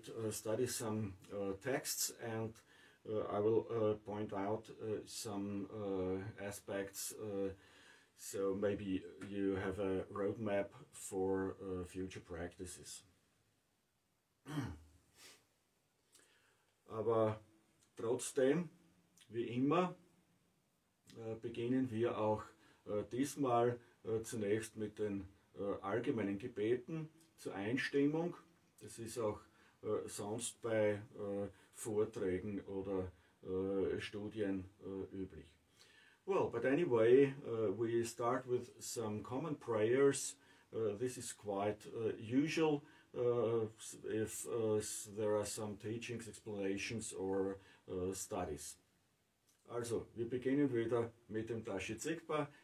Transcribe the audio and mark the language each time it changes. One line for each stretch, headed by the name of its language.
English: study some texts, and I will point out some aspects. So maybe you have a roadmap for future practices.
German: Aber trotzdem, wie immer, beginnen wir auch diesmal zunächst mit den allgemeinen Gebeten zur Einstimmung. Das ist auch sonst bei Vorträgen oder Studien üblich.
English: Well, but anyway, we start with some common prayers. This is quite usual if there are some teachings, explanations or studies.
German: Also, wir beginnen wieder mit dem Tashi Tsigpa.